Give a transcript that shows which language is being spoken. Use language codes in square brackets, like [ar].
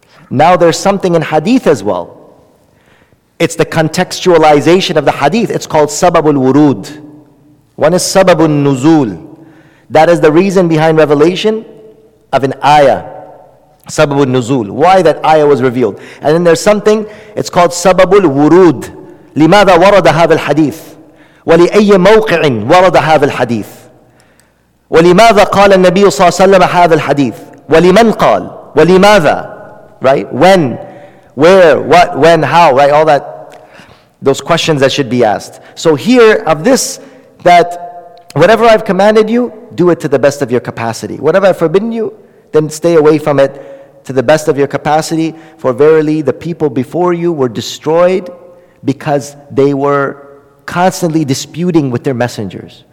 [en] Now there's something in hadith as well. It's the contextualization of the hadith. It's called sababul wurud. One is sababul nuzul. That is the reason behind revelation of an ayah. Sababul nuzul. Why that ayah was revealed. And then there's something, it's called sababul wurud. [ar] لماذا ورد هذا الحديث؟ ولأي موقع ورد هذا الحديث؟ ولماذا قال النبي صلى الله عليه وسلم هذا الحديث؟ ولمن قال؟ ولماذا؟ [en] Right? When? Where, what, when, how, right? All that, those questions that should be asked. So here, of this, that whatever I've commanded you, do it to the best of your capacity. Whatever I've forbidden you, then stay away from it to the best of your capacity. For verily, the people before you were destroyed because they were constantly disputing with their messengers.